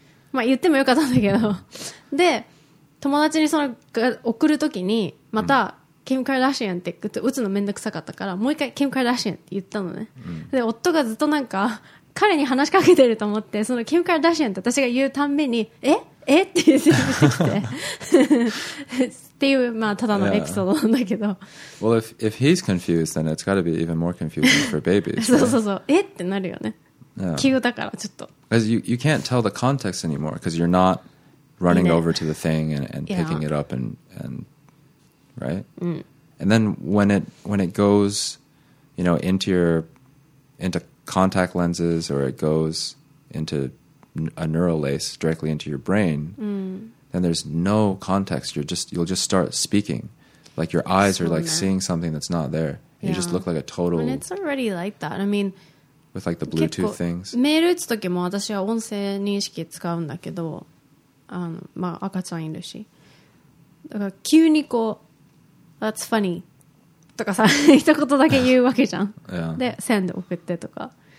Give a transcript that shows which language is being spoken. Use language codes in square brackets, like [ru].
[ja] まあ言ってもよかったんだけど、で友達にその送るときにまたキム・カーダシアンって打つのめんどくさかったから、もう一回キム・カーダシアンって言ったのね。で夫がずっとなんか彼に話しかけてると思って、そのキム・カーダシアンって私が言うたんびに、ええって言ってきて。っていう、まあ、ただのエピソードなんだけど、 [en] yeah. Well, if he's confused, then it's got to be even more confusing for babies. [ja] そうそうそう、えってなるよね、急、yeah. だからちょっと、 [en] because you can't tell the context anymore, because you're not running over to the thing and picking、yeah. it up and right、and then when it goes, you know, into contact lenses, or it goes into a neural lace directly into your brain、And there's no context. You'll just start speaking. Like your eyes are like seeing something that's not there. And yeah. You just look like a total... And it's already like that. I mean... With like the Bluetooth things. [ja] メール打つときも私は音声認識使うんだけど、まあ赤ちゃんいるし。だから急にこう、 [en] That's funny. [ja] とかさ、一言だけ言うわけじゃん。 [en] yeah. [ja] で、send 送ってとか。